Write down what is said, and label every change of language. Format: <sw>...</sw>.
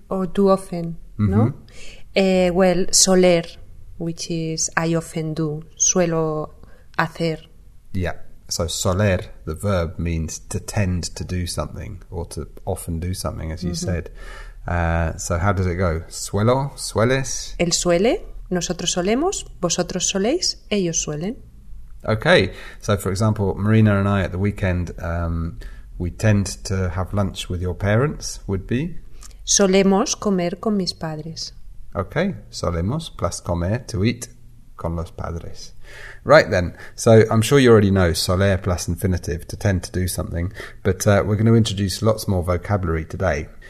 <en>Or do often, no? Well, soler, which is I often do,</en> <es>suelo hacer.</es> <en>Yeah. So soler, the verb, means to tend to do something or to often do something, as you said. So how does it go?</en> <es>Suelo, sueles. Él suele, nosotros solemos, vosotros soléis, ellos suelen.</es> <en>Okay. So, for example, Marina and I at the weekend, we tend to have lunch with your parents, would be?</en> <es>Solemos comer con mis padres. Okay. Solemos plus comer,</es> <en>to eat.</en> <es>Con los padres.</es> <en>Right then, so I'm sure you already know soler plus infinitive, to tend to do something, but we're going to introduce lots more vocabulary today.</en>